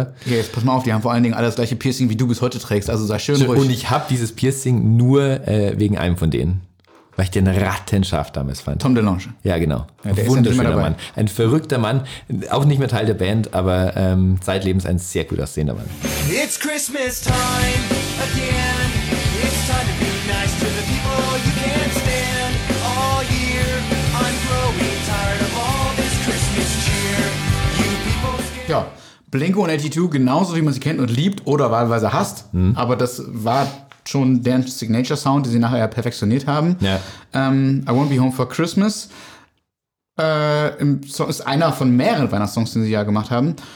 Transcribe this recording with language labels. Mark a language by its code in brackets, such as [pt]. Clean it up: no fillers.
[de] Ja, okay, jetzt pass mal auf, die haben vor allen Dingen alle das gleiche Piercing, wie du bis heute trägst. Also sei schön ruhig. Und ich habe dieses Piercing nur wegen einem von denen. Weil ich den rattenscharf damals fand. Tom DeLonge. Ja, genau. Ja, wunderschöner Mann. Ein verrückter Mann. Auch nicht mehr Teil der Band, aber zeitlebens ein sehr gut aussehender Mann. [en] It's Christmas time again. It's time to be nice to the people you can't stand. All year I'm growing tired of all this Christmas cheer. You people scared. [de] Ja, Blink 182, genauso wie man sie kennt und liebt oder wahlweise hasst. Hm. Aber das war schon deren Signature-Sound, den sie nachher ja perfektioniert haben. Ja. I Won't Be Home for Christmas im Song ist einer von mehreren Weihnachtssongs, den sie ja gemacht haben.